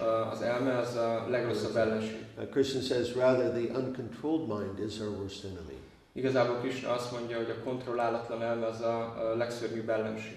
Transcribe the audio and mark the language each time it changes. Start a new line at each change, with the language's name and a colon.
Hungarian: Az elme az a legrosszabb ellenség.
English: Krishna says rather the uncontrolled mind is our worst enemy.
Hungarian: Igazából Krishna azt mondja, hogy a kontrollálatlan elme az a legszörnyűbb ellenség.